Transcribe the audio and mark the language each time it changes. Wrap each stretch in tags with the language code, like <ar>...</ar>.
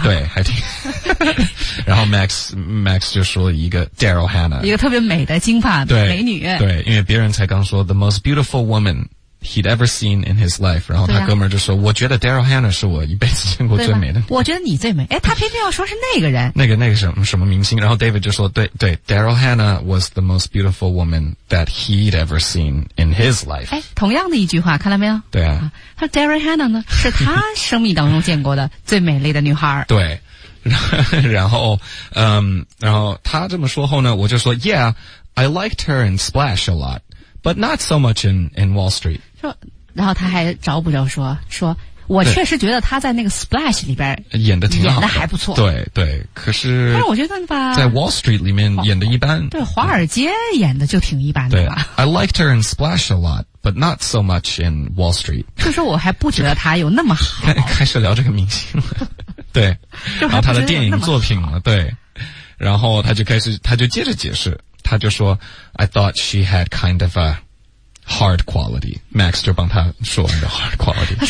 <zh>对，还挺。然后 Max 就说一个 Daryl Hannah，一个特别美的金发美女，对，因为别人才刚说</zh> <en>the most beautiful woman he'd ever seen in his life，</en> <zh>然后他哥们就说，啊，我觉得 Daryl Hannah 是我一辈子见过最美的，我觉得你最美，哎，他偏偏要说是那个人，那个什么明星，然后 David 就说，对对，</zh> <en>Daryl Hannah was the most beautiful woman that he'd ever seen in his life，</en> <zh>哎，同样的一句话，看到没有？对啊，他 Daryl Hannah 呢，是他生命当中见过的最美丽的女孩，对，然后他这么说后呢，我就说</zh> <en>Yeah， I liked her in Splash a lot， but not so much in Wall Street。</en> <zh>然后他还找不着说我确实觉得他在那个 Splash 里边演的挺好的，演的还不错，对对，可是我觉得吧，在 Wall Street 里面演的一般，对，华尔街演的就挺一般的吧。</zh> <en>I liked her in Splash a lot but not so much in Wall Street，</en> <zh>就说我还不觉得他有那么好，开始聊这个明星了，对，然后他的电影作品了，对，然后他就接着解释，他就说</zh> <en>I thought she had kind of aHard quality，</en> <zh>Max 就帮他说完的</zh> <en>hard quality。</en>